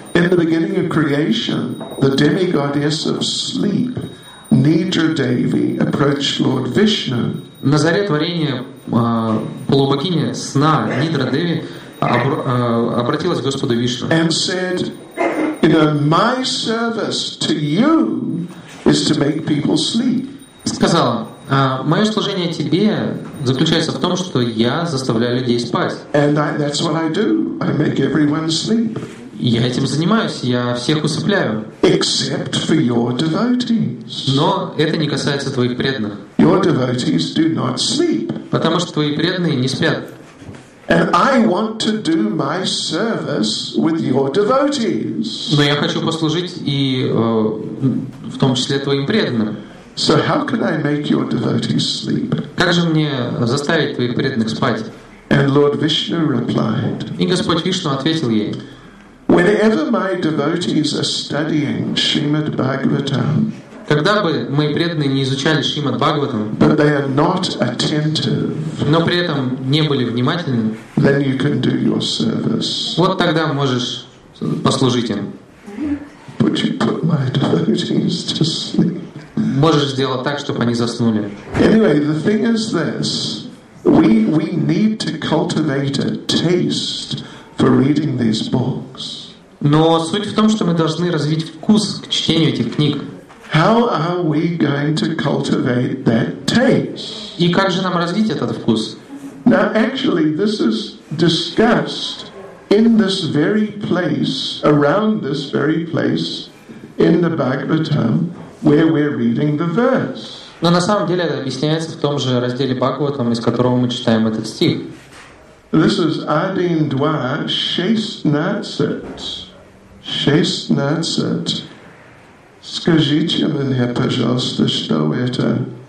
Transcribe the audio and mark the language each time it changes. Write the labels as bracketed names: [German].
[English] In the beginning of creation, the demigoddess of sleep, Nidra Devi, approached Lord Vishnu. [Russian] На заре творения полубогиня сна Нидра Деви обратилась к Господу Вишну. [English] And said, you know, my service to you is to make people sleep. [Russian] Сказала, мое служение тебе заключается в том, что я заставляю людей спать. [English] And that's what I do. I make everyone sleep. [Russian] Я этим занимаюсь, я всех усыпляю. [English] Except for your devotees. [Russian] Но это не касается твоих преданных. [English] Your devotees do not sleep. [Russian] Потому что твои преданные не спят. [English] And I want to do my service with your devotees. [Russian] Но я хочу послужить и в том числе твоим преданным. [English] So how can I make your devotees sleep? [Russian] Как же мне заставить твоих преданных спать? [English] And Lord Vishnu replied. [Russian] И Господь Вишну ответил ей. [English] Whenever my devotees are studying Srimad Bhagavatam, [Russian] когда бы мои преданные не изучали Шримад Бхагаватам, [English] but they are not attentive, [Russian] но при этом не были внимательны, [English] then you can do your service. [Russian] Вот тогда можешь послужить им. [English] But you put my devotees to sleep. [Russian] Можешь сделать так, чтобы они заснули. [English] Anyway, the thing is this: we need to cultivate a taste for reading these books. [Russian] Но суть в том, что мы должны развить вкус к чтению этих книг. [English] How are we going to cultivate that taste? [Russian] И как же нам развить этот вкус? [English] Now, actually, this is discussed in this very place, around this very place, in the Bhagavatam, where we're reading the verse. [Russian] Но на самом деле это объясняется в том же разделе Бхагаватам, из которого мы читаем этот стих. [English] This is [Russian] Adin Dwa Shesnatsat. Shesnatsat. Скажите мне, пожалуйста, что это?